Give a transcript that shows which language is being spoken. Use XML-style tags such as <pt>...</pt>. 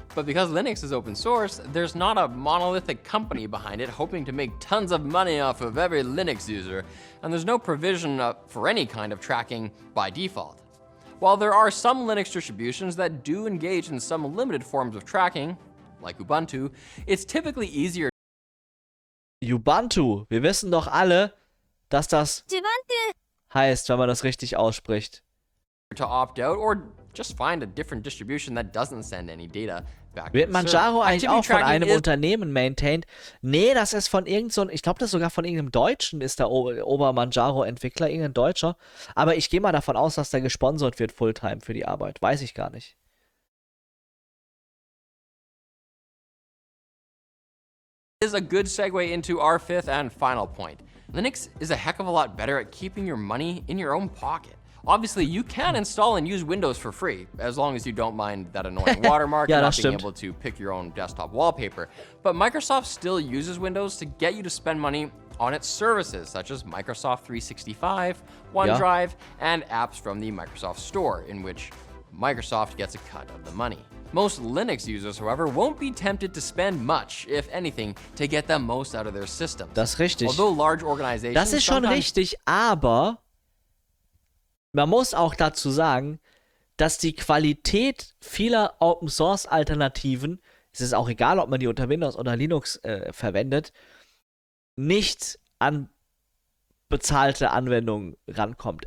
<en>But because Linux is open source, there's not a monolithic company behind it hoping to make tons of money off of every Linux user, and there's no provision for any kind of tracking by default. While there are some Linux distributions that do engage in some limited forms of tracking, like Ubuntu, it's typically easier.</en> <de>Ubuntu, wir wissen doch alle, dass das Ubuntu heißt, wenn man das richtig ausspricht.</de> <en>To opt out or just find a different distribution that doesn't send any data back.</en> <de>Wird Manjaro eigentlich auch von einem Unternehmen maintained? Nee, das ist von irgendeinem, ich glaube, das ist sogar von irgendeinem Deutschen, ist der Ober-Manjaro-Entwickler, irgendein Deutscher. Aber ich gehe mal davon aus, dass der gesponsert wird fulltime für die Arbeit, weiß ich gar nicht.</de> <en>Is a good segue into our fifth and final point. Linux is a heck of a lot better at keeping your money in your own pocket. Obviously, you can install and use Windows for free, as long as you don't mind that annoying watermark yeah, and not</en> <de>stimmt.</de> <en>Being able to pick your own desktop wallpaper. But Microsoft still uses Windows to get you to spend money on its services, such as Microsoft 365, OneDrive, yeah. and apps from the Microsoft Store, in which Microsoft gets a cut of the money. Most Linux users, however, won't be tempted to spend much, if anything, to get the most out of their systems.</en> <de>Das ist richtig.</de> <en>Although large organizations</en> <de>das ist schon richtig, aber man muss auch dazu sagen, dass die Qualität vieler Open-Source-Alternativen, es ist auch egal, ob man die unter Windows oder Linux verwendet, nicht an bezahlte Anwendungen rankommt.</de>